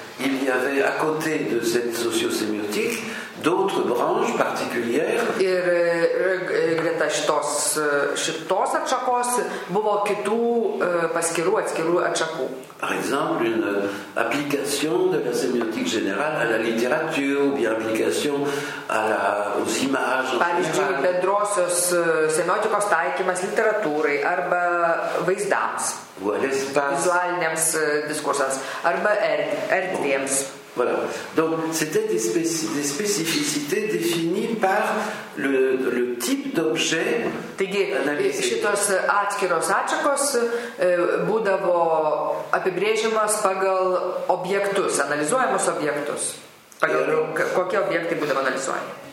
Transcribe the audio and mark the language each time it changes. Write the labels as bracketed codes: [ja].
[fr] il y avait à côté de cette sociosémiotique d'autres branches particulières. [lt] Ir greta šitos atšakos buvo kitų paskirų atskirų atšakų. [fr] Par exemple, une application de la sémiotique générale à la littérature, ou bien application à la, aux images. [lt] Pavyzdžiui, bendrosios sémiotikos taikymas literatūrai arba vaizdams. [fr] Ou à l'espace. [lt] Vizualiniams diskursams arba erdvėms. Bon. [fr] Voilà. Donc, c'était des spécificités définies par le type d'objet taigi, analysé. [lt] Šitos atskiros atšakos būdavo apibrėžimas pagal objektus, analizuojamos objektus. Kokie objektai būdavo analizuojami?